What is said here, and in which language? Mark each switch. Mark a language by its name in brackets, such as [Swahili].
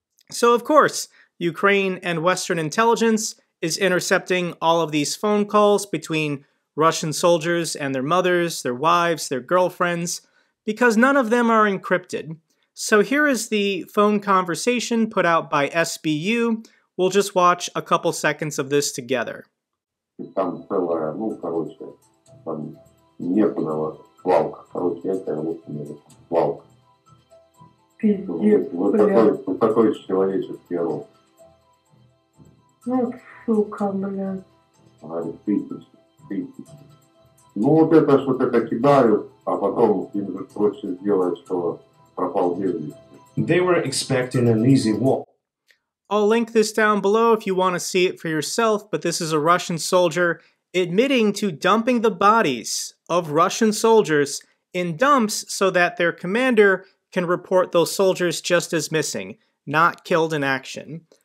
[English] So, of course, Ukraine and Western intelligence is intercepting all of these phone calls between Russian soldiers and their mothers, their wives, their girlfriends, because none of them are encrypted. So here is the phone conversation put out by SBU. We'll just watch a couple seconds of this together. [Russian] Там целая, ну, короче, там некуда, свалка, короче, я тебя лучше не знаю, свалка. Пиздец, вот, блядь. Вот такой же человеческий рот. Ну, сука, блядь. Говорит, тысячи. Ну, вот это что-то кидают, а потом им же проще сделать, что пропал без вести. [English] They were expecting an easy walk. I'll link this down below if you want to see it for yourself, but this is a Russian soldier admitting to dumping the bodies of Russian soldiers in dumps so that their commander can report those soldiers just as missing, not killed in action.